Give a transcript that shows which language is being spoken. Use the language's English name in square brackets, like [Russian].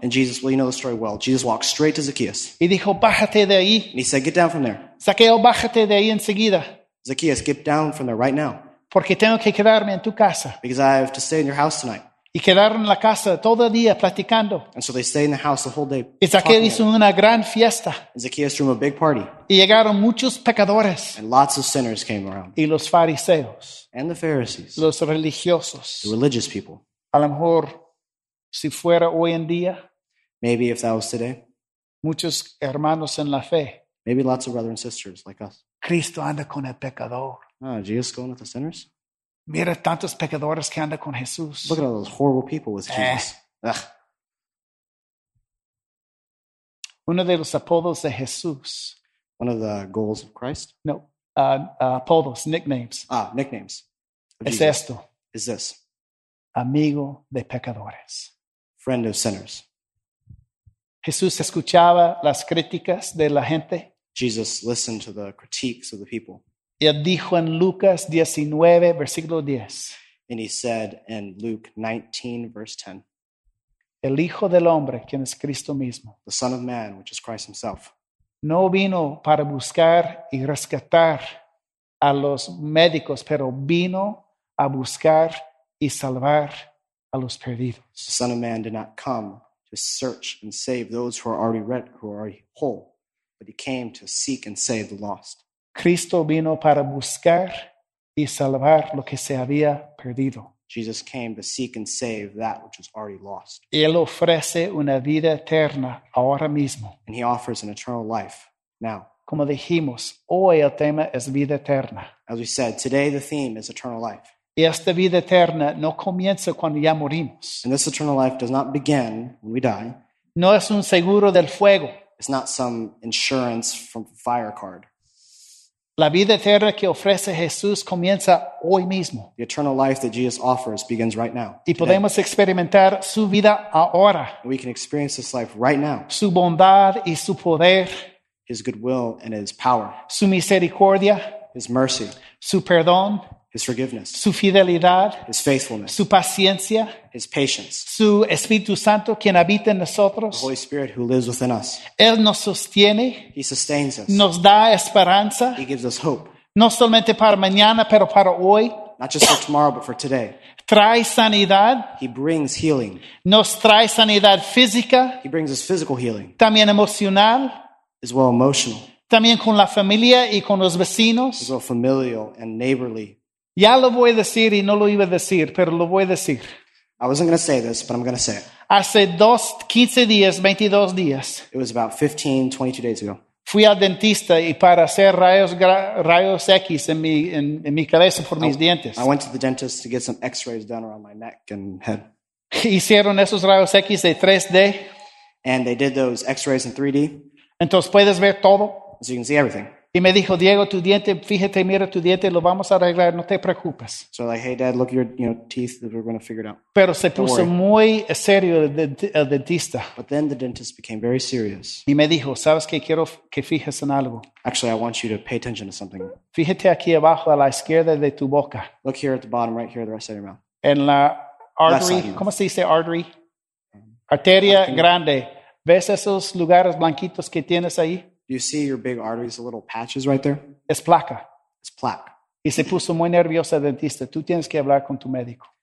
[English] And Jesus, well, you know the story well. Jesus walked straight to Zacchaeus. [Spanish] Y dijo, bájate de ahí. [English] And he said, get down from there. [Spanish] Zaqueo, bájate de ahí enseguida. [English] Zacchaeus, get down from there right now. [Spanish] Porque tengo que quedarme en tu casa. [English] Because I have to stay in your house tonight. [Spanish] Y quedaron en la casa todo el día platicando. [English] And so they stay in the house the whole day. [Spanish] Y Zacchaeus hizo una gran fiesta. [English] And Zacchaeus threw a big party. [Spanish] Y llegaron muchos pecadores. [English] And lots of sinners came around. [Spanish] Y los fariseos. [English] And the Pharisees. [Spanish] Los religiosos. [English] The religious people. [Spanish] A lo mejor, si fuera hoy en día, [English] maybe if that was today, [Spanish] muchos hermanos en la fe, [English] maybe lots of brothers and sisters like us. [Spanish] Cristo anda con el pecador. [English] Oh, Jesus going with the sinners? [Spanish] Mira tantos pecadores que anda con Jesús. [English] Look at all those horrible people with Jesus. Ugh. [Spanish] Uno de los apodos de Jesús. [English] One of the goals of Christ? [Spanish] No. Apodos, nicknames. [English] Ah, nicknames. [Spanish] Es esto. [English] Is this. [Spanish] Amigo de pecadores. [English] Friend of sinners. [Spanish] Jesús escuchaba las críticas de la gente. [English] Jesus listened to the critiques of the people. [Spanish] Y él dijo en Lucas 19, versículo 10. [English] And he said in Luke 19, verse 10. [Spanish] El Hijo del Hombre, quien es Cristo mismo. [English] The Son of Man, which is Christ himself. [Spanish] No vino para buscar y rescatar a los médicos, pero vino a buscar y salvar a los perdidos. [English] The Son of Man did not come to search and save those who are already whole, but he came to seek and save the lost. [Spanish] Cristo vino para buscar y salvar lo que se había perdido. [English] Jesus came to seek and save that which was already lost. [Spanish] Él ofrece una vida eterna ahora mismo. [English] And he offers an eternal life now. [Spanish] Como dijimos, hoy el tema es vida eterna. [English] As we said, today the theme is eternal life. [Spanish] Y esta vida eterna no comienza cuando ya morimos. [English] And this eternal life does not begin when we die. [Spanish] No es un seguro del fuego. [English] It's not some insurance from fire card. [Spanish] La vida eterna que ofrece Jesús comienza hoy mismo. [English] The eternal life that Jesus offers begins right now. [Spanish] Y podemos [English] today. [Spanish] Experimentar su vida ahora. [English] We can experience this life right now. [Spanish] Su bondad y su poder. [English] His goodwill and his power. [Spanish] Su misericordia. [English] His mercy. [Spanish] Su perdón. [English] His forgiveness. [Spanish] Su fidelidad. [English] His faithfulness. [Spanish] Su paciencia. [English] His patience. [Spanish] Su Espíritu Santo, quien habita en nosotros. [English] The Holy Spirit who lives within us. [Spanish] Él nos sostiene. [English] He sustains us. [Spanish] Nos da esperanza. [English] He gives us hope. [Spanish] No solamente para mañana, pero para hoy. [English] Not just for tomorrow, but for today. [Spanish] Trae sanidad. [English] He brings healing. [Spanish] Nos trae sanidad física. [English] He brings us physical healing. [Spanish] También emocional. [English] As well emotional. [Spanish] También con la familia y con los vecinos. [English] As well familial and neighborly. [Spanish] Ya lo voy a decir y no lo iba a decir, pero lo voy a decir. [English] I wasn't going to say this, but I'm going to say it. [Spanish] Hace 22 días. [English] It was about 15, 22 days ago. [Spanish] Fui al dentista y para hacer rayos X en mi cabeza por mis dientes. [English] I went to the dentist to get some x-rays done around my neck and head. [Spanish] Hicieron esos rayos X de 3D. [English] And they did those x-rays in 3D. [Spanish] Entonces puedes ver todo. [English] So you can see everything. [Spanish] Y me dijo, Diego, tu diente, fíjate, mira tu diente, lo vamos a arreglar, no te preocupes. [English] So like, hey, Dad, look at your teeth, we're going to figure it out. [Spanish] Pero se puso muy serio el dentista. [English] But then the dentist became very serious. [Spanish] Y me dijo, ¿sabes qué? Quiero que fijes en algo. [English] Actually, I want you to pay attention to something. [Spanish] Fíjate aquí abajo, a la izquierda de tu boca. [English] Look here at the bottom, right here, the rest of your mouth. [Spanish] En la artery, ¿cómo se dice artery? Arteria grande. ¿Ves esos lugares blanquitos que tienes ahí? [English] You see your big arteries, the little patches right there? [Spanish] Es placa. [English] It's plaque. [Spanish] Y se puso muy nervioso el dentista. Tú tienes que hablar con tu médico.